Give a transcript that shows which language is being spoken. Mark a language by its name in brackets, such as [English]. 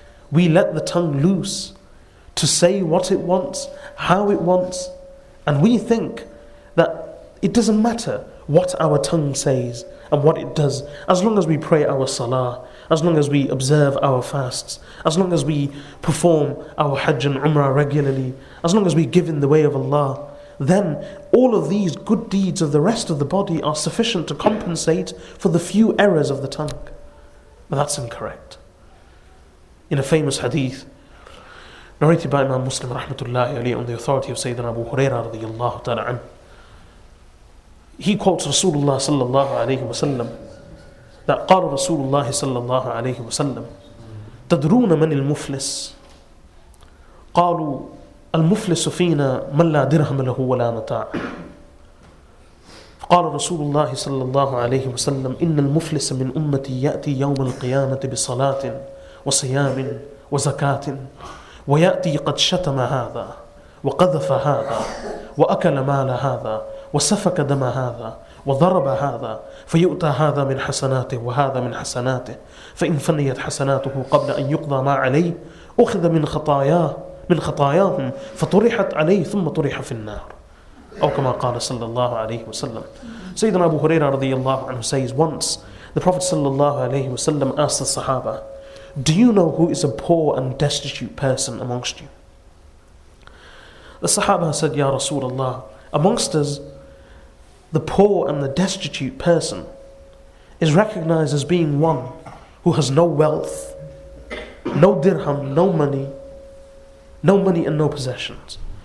[English] We let the tongue loose to say what it wants, how it wants, and we think that it doesn't matter what our tongue says and what it does, as long as we pray our salah, as long as we observe our fasts, as long as we perform our Hajj and Umrah regularly, as long as we give in the way of Allah, then all of these good deeds of the rest of the body are sufficient to compensate for the few errors of the tongue. But that's incorrect. In a famous hadith, narrated by Imam Muslim rahmatullahi alayhi on the authority of Sayyidina Abu Huraira radiyallahu ta'ala an, he quotes Rasulullah sallallahu alayhi wa sallam, that [Arabic] قال رسول الله صلى الله عليه وسلم تدرون من المفلس قالوا المفلس فينا من لا درهم له ولا متاع قال رسول الله صلى الله عليه وسلم إن المفلس من أمتي يأتي يوم القيامة بصلاة وصيام وزكاة ويأتي قد شتم هذا وقذف هذا وأكل مال هذا وسفك دم هذا وضرب هذا فيؤتى هذا من حسناته وهذا من حسناته فإن فنيت حسناته قبل أن يقضى ما عليه أخذ من خطاياهم فطرحت عليه ثم طرح في النار أو كما قال صلى الله عليه وسلم. [English] سيدنا أبو هريرة رضي الله عنه says, once the Prophet صلى الله عليه وسلم asked the Sahaba, do you know who is a poor and destitute person amongst you? The Sahaba said, Ya Rasulullah, amongst us, the poor and the destitute person is recognized as being one who has no wealth, no dirham, no money and no possessions.